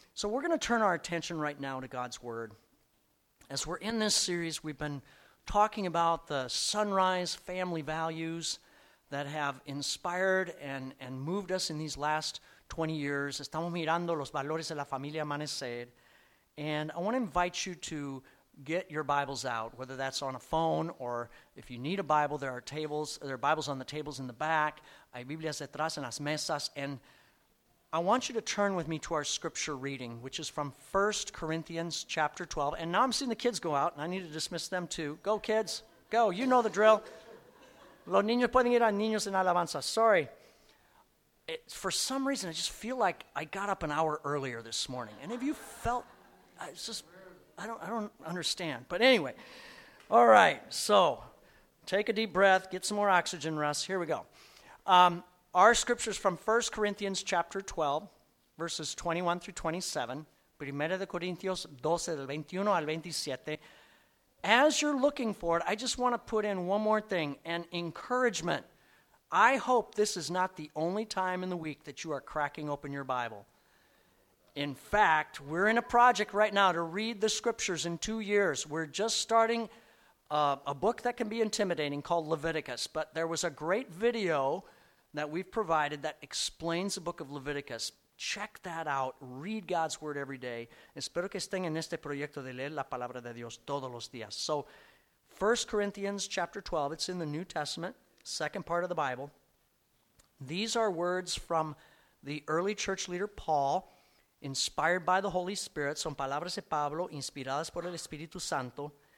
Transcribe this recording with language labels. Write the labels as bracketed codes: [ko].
[en] So we're going to turn our attention right now to God's Word. As we're in this series, we've been talking about the Sunrise family values that have inspired and moved us in these last 20 years. [es] Estamos mirando los valores de la familia Amanecer. [en] And I want to invite you to get your Bibles out, whether that's on a phone or if you need a Bible, there are Bibles on the tables in the back. [es] Hay Biblias detrás en las mesas. [en] And I want you to turn with me to our scripture reading, which is from 1 Corinthians chapter 12. And now I'm seeing the kids go out, and I need to dismiss them too. Go, kids. Go. You know the drill. [es] Los niños pueden ir a niños en alabanza. [en] Sorry. For some reason, I just feel like I got up an hour earlier this morning. And have you felt, I don't understand. But anyway, all right. So take a deep breath, get some more oxygen, Russ. Here we go. Our scripture is from 1 Corinthians chapter 12, verses 21 through 27. [es] Primera de Corintios 12, del 21 al 27. [en] As you're looking for it, I just want to put in one more thing, an encouragement. I hope this is not the only time in the week that you are cracking open your Bible. In fact, we're in a project right now to read the scriptures in 2 years. We're just starting a book that can be intimidating called Leviticus, but there was a great video that we've provided that explains the book of Leviticus. Check that out. Read God's Word every day. [es] Espero que estén en este proyecto de leer la palabra de Dios todos los días. [en] So, 1 Corinthians chapter 12, it's in the New Testament, second part of the Bible. These are words from the early church leader Paul, inspired by the Holy Spirit. [es] Son palabras de Pablo, inspiradas por el Espíritu Santo.